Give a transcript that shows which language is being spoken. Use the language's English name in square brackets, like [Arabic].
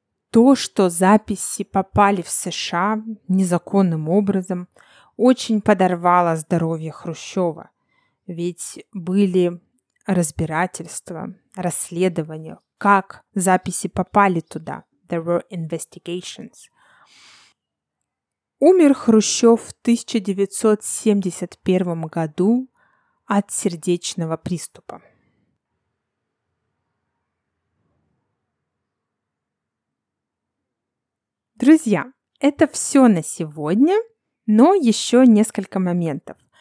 [Russian] То, что записи попали в США незаконным образом, очень подорвало здоровье Хрущева. Ведь были разбирательства, расследования, как записи попали туда. [English] There were investigations. [Russian] Умер Хрущев в 1971 году от сердечного приступа. Друзья, это все на сегодня. Но еще несколько моментов.